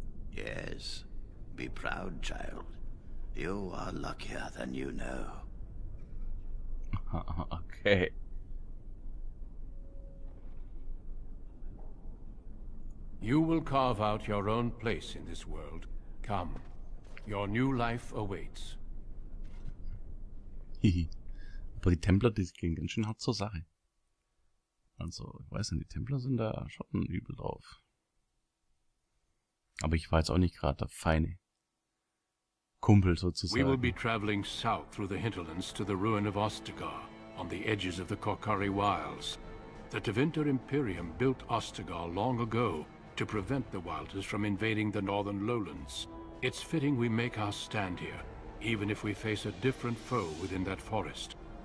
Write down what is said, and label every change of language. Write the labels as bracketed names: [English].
[English] Yes, be proud, child. You are luckier than you know. Okay. You will carve out your own place in this world. Come, your new life awaits. [German] Aber die Templer, die gehen ganz schön hart zur Sache. Also, ich weiß nicht, die Templer sind da schon übel drauf. Aber ich war jetzt auch nicht gerade der feine Kumpel sozusagen. [English] We will be traveling south through the hinterlands to the ruin of Ostagar, on the edges of the Korkari Wilds. The Tevinter Imperium built Ostagar long ago to prevent the Wilders from invading the northern lowlands. It's fitting we make our stand here, even if we face a different foe within that forest.